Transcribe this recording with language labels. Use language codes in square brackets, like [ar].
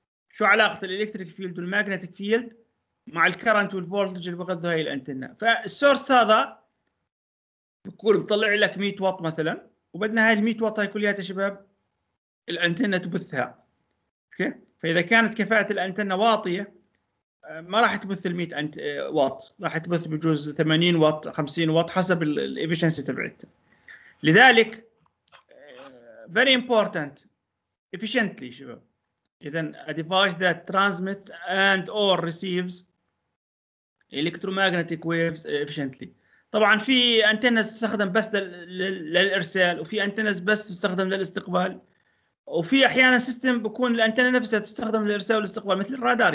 [ar] شو علاقة الالكتريك فيلد والماغنتيك فيلد مع الكرنت والفولتج اللي بغضوا هاي الانتنة؟ فالسورس هذا بيكون بطلع لك 100 واط مثلا، وبدنا هاي ال 100 واط هاي كلها يا شباب الانتنة تبثها. اوكي فاذا كانت كفاءة الانتنة واطية ما راح تبث ال 100 واط، راح تبث بجوز 80 واط 50 واط حسب الافشنسي تبعتها. لذلك [en] very important efficiently [ar] شباب. [en] اذا a device that transmits and or receives electromagnetic waves efficiently. [ar] طبعا في انتنز تستخدم بس للارسال، وفي انتنز بس تستخدم للاستقبال، وفي احيانا سيستم بكون الانتنة نفسها تستخدم للارسال والاستقبال مثل الرادار.